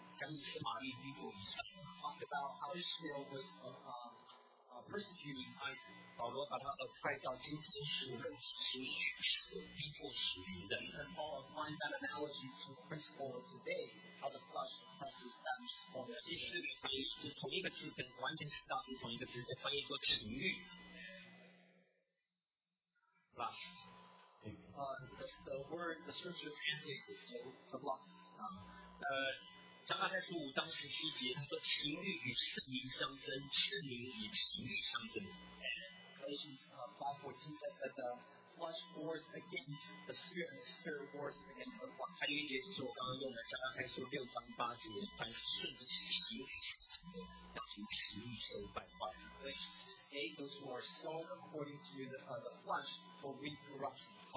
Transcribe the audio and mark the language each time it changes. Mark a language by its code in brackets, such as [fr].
[zh] 讲以马利逼迫以撒。 [en] Talked about how Israel was persecuting Isaac. [zh] 保罗把它 apply 到今天属灵的属血气的逼迫属灵的。 [en] And Paul applied that analogy to the principle of today. How the flesh presses that which is born of the spirit. [zh] 第四个翻译是同一个字，跟完全是大致同一个字，翻译过情欲 lust. [en] That's the word the scripture translates it to the lust. [zh] 加拉太书五章十七节，他说情欲与圣灵相争，圣灵与情欲相争。 [en] Galatians 5:14 says that the flesh wars against the spirit, and the spirit wars against the flesh. [zh] 还有一节就是我刚刚用的加拉太书六章八节，凡是顺着情欲行的，要从情欲受败坏。 [en] Galatians 6:8, those who are sown according to the flesh will reap corruption.